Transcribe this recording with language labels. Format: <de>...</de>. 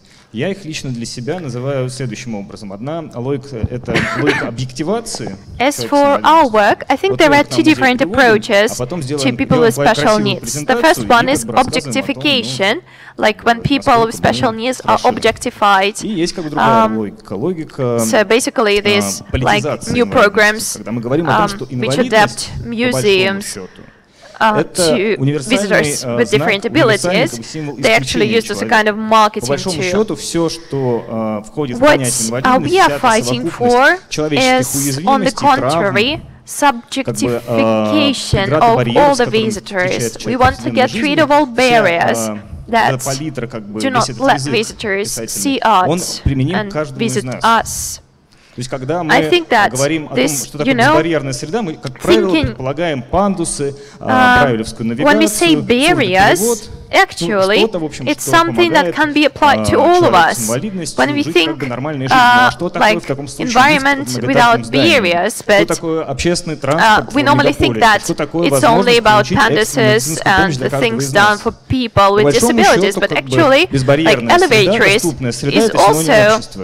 <ru>Я их лично для себя называю следующим образом. Одна логика — это логика объективации.</ru> <en>As for our work, I think there are two different approaches to people with special needs. The first one is objectification, like when people with special needs are objectified.</en> <ru>И есть как бы другая логика. Логика</ru> <en>So basically these like new programs, which adapt museums. to visitors with different abilities. They actually used as a kind of marketing tool. What we are fighting for is, on the contrary, subjectification of all the visitors. We want to get rid of all barriers that do not let visitors see us and visit us.</en> <ru>То есть когда мы говорим о том, что такое безбарьерная среда, мы, как правило, предполагаем пандусы, брайлевскую навигацию,</ru> <en>Actually, it's something that can be applied to all of us. When we think like environment without barriers, but we normally think that it's only about pandas and the things done for people with disabilities, but actually, like elevators is also</en>